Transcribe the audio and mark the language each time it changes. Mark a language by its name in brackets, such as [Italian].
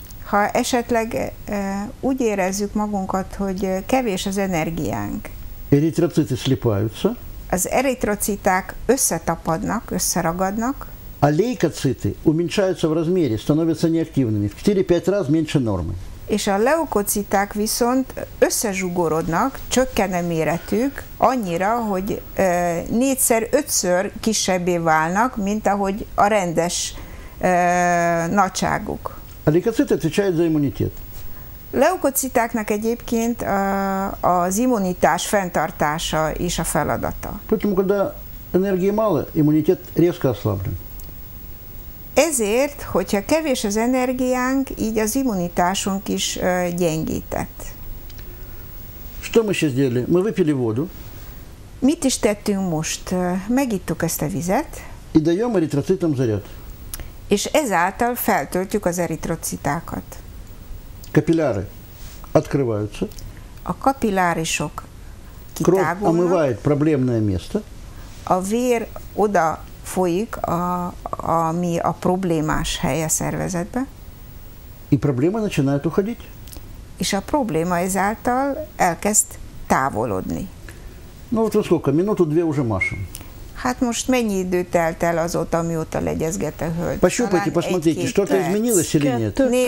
[Hungarian] Ha esetleg úgy érezzük magunkat, hogy kevés az energiánk. [Russian] Эритроциты слипаются. [Hungarian] Az eritrociták összetapadnak, összeragadnak. [Russian] А лейкоциты уменьшаются в размере, становятся неактивными. 4-5 раз меньше нормы. [Hungarian] És a leukociták viszont összezsugorodnak, csökken a méretük annyira, hogy 4-5-ször kisebbé válnak, mint ahogy a rendes nagyságuk. [Russian] A leukocit отвечает за иммунитет. [Hungarian] Leukocitáknak egyébként az immunitás fenntartása is a feladata. [Russian] Поэтому, когда энергии мало, иммунитет резко ослаблен. [Hungarian] Ezért, hogyha kevés az energiánk, így az immunitásunk is gyengített. [Russian] Что мы сейчас сделали? Мы выпили воду. [Hungarian] Mit is tettünk most? Megittuk ezt a vizet. [Russian] И даем эритроцитам заряд. [Hungarian] És ezáltal feltöltjük az eritrocitákat. [Russian] Капилляры открываются. [Hungarian] A kapillárisok kitágulnak. [Russian] Кровь омывает проблемное место. [Hungarian] A vér oda folyik, ami a problémás hely a szervezetbe. [Russian] И проблема начинает уходить. [Hungarian] És a probléma ezáltal elkezd távolodni. [Russian] Ну вот сколько, минуту две уже машем. [Hungarian] Hát most mennyi idő telt el azóta, mióta legyezget a hölgy? [Russian] Пощупайте, посмотрите, что-то изменилось или нет.